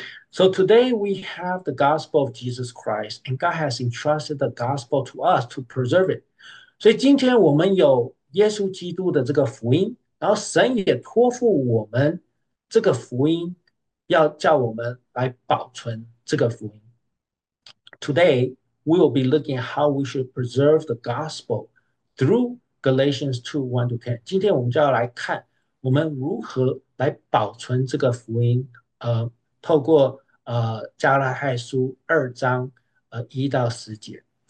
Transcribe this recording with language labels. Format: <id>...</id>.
<en>So today we have the gospel of Jesus Christ, and God has entrusted the gospel to us to preserve it.</en> <zh>所以今天我们有耶稣基督的这个福音，然后神也托付我们这个福音，要叫我们来保存这个福音。</zh> <en>Today we will be looking at how we should preserve the gospel through Galatians 2:1 to 10。</en> <zh>今天我们就要来看我们如何来保存这个福音，透过加拉太书2:1到10。</zh>